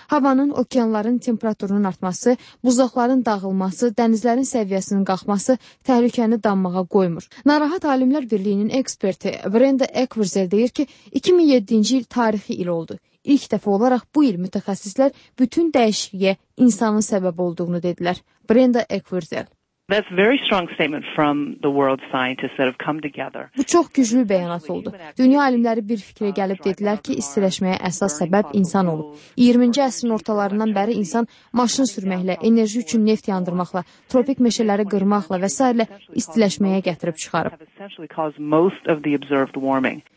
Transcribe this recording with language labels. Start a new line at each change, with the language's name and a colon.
Azerbaijani: Havanın, okeanların temperaturunun artması, buzlaqların dağılması, dənizlərin səviyyəsinin qalxması təhlükəni danmağa qoymur. Narahat Alimlər Birliyinin eksperti Brenda Ekwerzel deyir ki, 2007-ci il tarixi il oldu. İlk dəfə olaraq bu il mütəxəssislər bütün dəyişikliyə insanın səbəb olduğunu dedilər. Brenda Ekwerzel.
English: That's very strong statement from the world scientists that have come together.
Azerbaijani: Bu çox güclü bəyanat oldu. Dünya alimləri bir fikrə gəlib dedilər ki, istiləşməyə əsas səbəb insan olub. 20-ci əsrin ortalarından bəri insan maşın sürməklə, enerji üçün neft yandırmaqla, tropik meşələri qırmaqla və s. istiləşməyə gətirib çıxarıb.